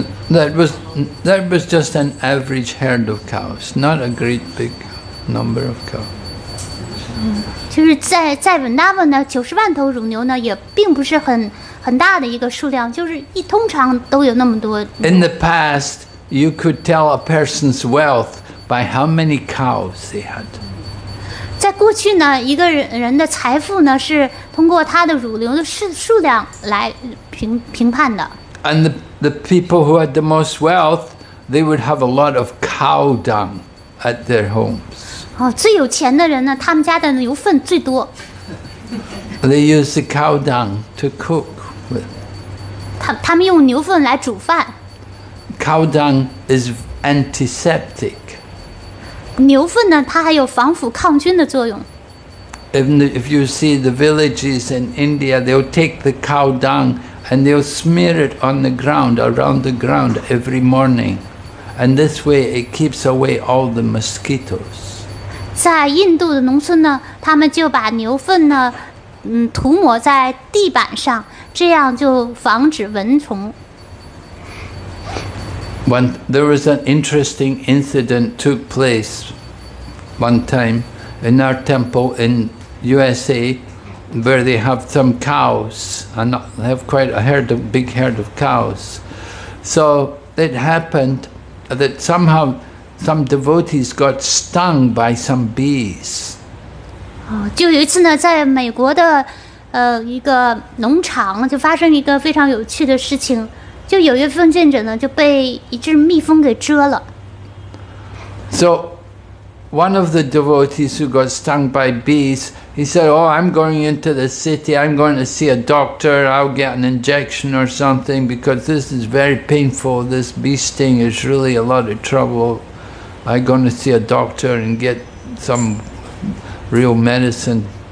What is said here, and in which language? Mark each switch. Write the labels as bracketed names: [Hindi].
[English] That was just an average herd of cows, not a great big number of cows. [Chinese] 就是在 Vrindavan 呢，九十万头乳牛呢，也并不是很大的一个数量，就是一通常都有那么多。 [English] In the past, you could tell a person's wealth by how many cows they had. [Chinese] 在过去呢，一个人的财富呢，是通过他的乳牛的数量来评判的。 [English] And the people who had the most wealth, they would have a lot of cow dung at their homes. [Chinese] 哦，最有钱的人呢，他们家的牛粪最多。 [English] They use the cow dung to cook with. [Chinese] 他们用牛粪来煮饭。 [English] Cow dung is antiseptic. [Chinese] 牛粪呢，它还有防腐抗菌的作用。 [English] If you see the villages in India, they'll take the cow dung and they'll smear it on the ground, around the ground, every morning. And this way, it keeps away all the mosquitoes. [Chinese] 在印度的农村呢，他们就把牛粪呢，涂抹在地板上，这样就防止蚊虫。 [English] There was an interesting incident took place one time in our temple in USA, where they have some cows, and they have quite a herd, a big herd of cows. So it happened that somehow some devotees got stung by some bees. [Chinese] 就有一次呢，在美国的一个农场，就发生一个非常有趣的事情，就有一份见证呢，就被一只蜜蜂给蛰了。 [English] So one of the devotees who got stung by bees, he said, "Oh, I'm going into the city. I'm going to see a doctor. I'll get an injection or something because this is very painful. This bee sting is really a lot of trouble. I'm going to see a doctor and get some real medicine."